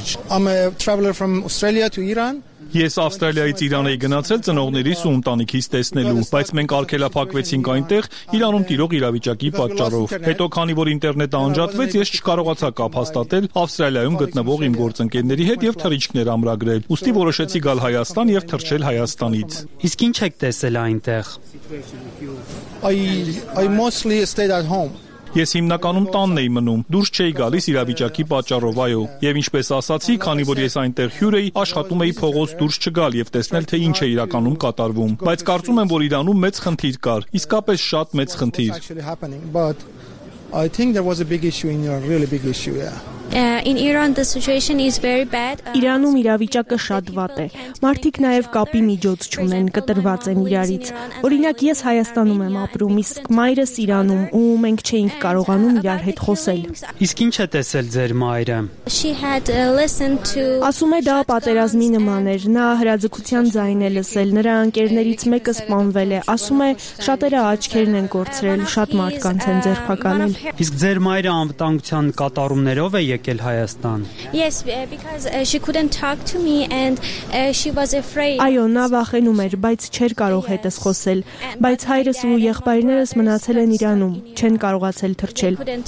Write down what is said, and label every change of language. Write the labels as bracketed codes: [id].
[en] I'm a traveler from Australia to Iran. [hy] Ես Ավստրալիայից Իրան էի գնացել ծնողներիս ու ընտանիքիս տեսնելու, բայց մենք արգելափակվեցինք այնտեղ Իրանում տիրող իրավիճակի պատճառով։ Հետո, քանի որ ինտերնետը անջատվեց, ես չկարողացա կապ հաստատել Ավստրալիայում գտնվող իմ գործընկերների հետ եւ թռիչքներ ամրագրել։ Ուստի որոշեցի գալ Հայաստան եւ թռչել Հայաստանից։ Իսկ ինչ եք տեսել այնտեղ։ [en] I mostly stayed at home. [hy] Ես հիմնականում տանն էի մնում, դուրս չէի գալիս իրավիճակի պատճառով, այո, եւ ինչպես ասացի, քանի որ ես այնտեղ հյուր էի, աշխատում էի փողոց դուրս չգալ եւ տեսնել, թե ինչ է իրականում կատարվում, բայց կարծում եմ, որ Իրանում մեծ խնդիր կար, իսկապես շատ մեծ խնդիր։ [en] But I think there was a big issue in Iran, really big issue, yeah. In Iran the situation is very bad. [hy] Իրանում իրավիճակը շատ վատ է։ Մարդիկ նաև կապի միջոց չունեն, կտրված են իրարից։ Օրինակ ես Հայաստանում եմ ապրում, իսկ մայրս Իրանում, ու մենք չենք կարողանում իրար հետ խոսել։ Իսկ ինչ է տեսել ձեր մայրը։ Ասում է դա պատերազմի նման էր, նա հրաձգության ձայն է լսել, նրա ընկերներից մեկը սպանվել է, ասում է շատերը աչքերն են կորցրել, շատ մարդկանց են ձերբակալել։ Իսկ ձեր մայրը անվտանգության կատարումներով է եկել Հայաստան։ [en] Yes, because she couldn't talk to me and she was afraid. [hy] Այո, նա վախենում էր, բայց չէր կարող հետս խոսել, բայց հայրս ու եղբայրներս մնացել են Իրանում, չեն կարողացել թռչել։